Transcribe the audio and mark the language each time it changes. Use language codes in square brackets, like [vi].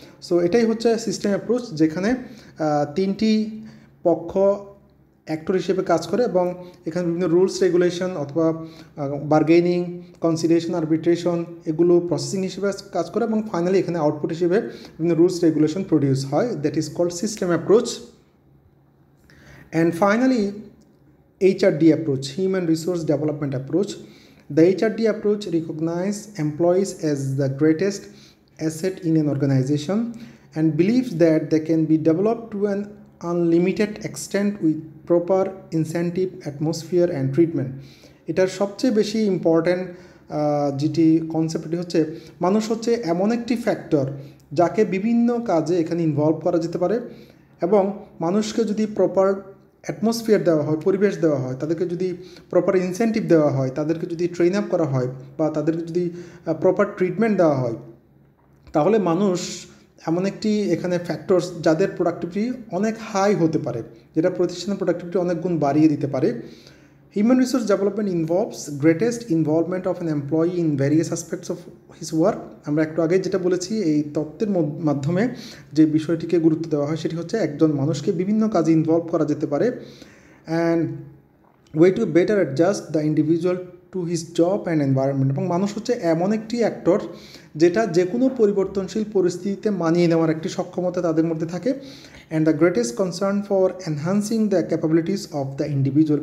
[bn] So এটাই হচ্ছে system approach, যেখানে তিনটি পক্ষ অ্যাক্টর হিসেবে কাজ করে এবং এখানে বিভিন্ন রুলস রেগুলেশন অথবা বার্গেনিং, কনসিলিয়েশন, আরবিট্রেশন এগুলো প্রসেসিং হিসেবে কাজ করে এবং ফাইনালি এখানে আউটপুট হিসেবে বিভিন্ন রুলস রেগুলেশন প্রোডিউস হয়। [en] That is called system approach. And finally HRD approach, human resource development approach. The HRD approach recognizes employees as the greatest asset in an organization and believes that they can be developed to an unlimited extent with proper incentive, atmosphere and treatment. [bn] এটার সবচেয়ে বেশি important যেটি কনসেপ্টটি হচ্ছে, মানুষ হচ্ছে এমন একটি factor যাকে বিভিন্ন কাজে এখানে ইনভলভ করা যেতে পারে, এবং মানুষকে যদি প্রপার অ্যাটমসফিয়ার দেওয়া হয়, পরিবেশ দেওয়া হয়, তাদেরকে যদি প্রপার ইনসেন্টিভ দেওয়া হয়, তাদেরকে যদি ট্রেন আপ করা হয় বা তাদেরকে যদি প্রপার ট্রিটমেন্ট দেওয়া হয়, তাহলে মানুষ এমন একটি এখানে ফ্যাক্টরস যাদের প্রোডাক্টিভিটি অনেক হাই হতে পারে, যেটা প্রতিষ্ঠানের প্রোডাক্টিভিটি অনেক গুণ বাড়িয়ে দিতে পারে। [en] Human resource development involves greatest involvement of an employee in various aspects of his work. [bn] আমরা একটু আগে যেটা বলেছি, এই তত্ত্বের মাধ্যমে যে বিষয়টিকে গুরুত্ব দেওয়া হয় সেটি হচ্ছে একজন মানুষকে বিভিন্ন কাজে ইনভলভ করা যেতে পারে, [en] And way to better adjust the individual to his job and environment. [bn] এবং মানুষ হচ্ছে এমন একটি অ্যাক্টর যেটা যে কোনো পরিবর্তনশীল পরিস্থিতিতে মানিয়ে নেওয়ার একটি সক্ষমতা তাদের মধ্যে থাকে, [en] And the greatest concern for enhancing the capabilities of the individual.